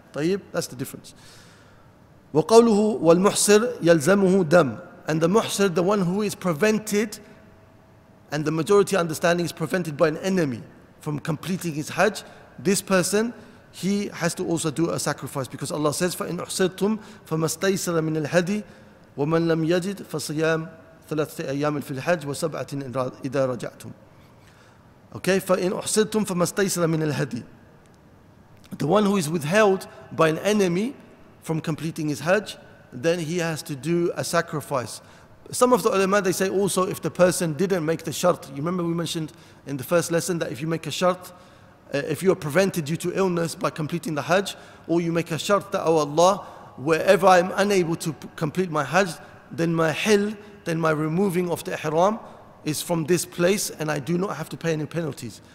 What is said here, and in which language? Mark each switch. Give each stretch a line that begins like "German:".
English: Tayyib, that's the difference.
Arabic: وَقَوْلُهُ وَالْمُحْصِرْ يَلْزَمُهُ دَمْ.
English: And the muhsir, the one who is prevented, and the majority understanding is prevented by an enemy from completing his Hajj, this person, he has to also do a sacrifice. Because Allah says,
Arabic: فَإِنْ أُحْصِرْتُمْ فَمَسْتَيْسَرَ مِنَ الْهَدِي وَمَنْ لَمْ يَجِدْ فَصِيَامْ ثَلَاثَةِ أَيَّامٍ فِي الْحَجْ وَسَبْعَةٍ إِذَا رَجَعْتُمْ. Okay, فَإِنْ أُحْصِرْتُمْ فَمَسْتَيْسَرَ مِنَ الْهَدِي.
English: The one who is withheld by an enemy from completing his Hajj, then he has to do a sacrifice. Some of the ulama, they say also, if the person didn't make the shart, you remember we mentioned in the first lesson that if you make a shart, if you are prevented due to illness by completing the Hajj, or you make a shart that, oh Allah, wherever I'm unable to complete my Hajj, then my hil, then my removing of the ihram is from this place and I do not have to pay any penalties.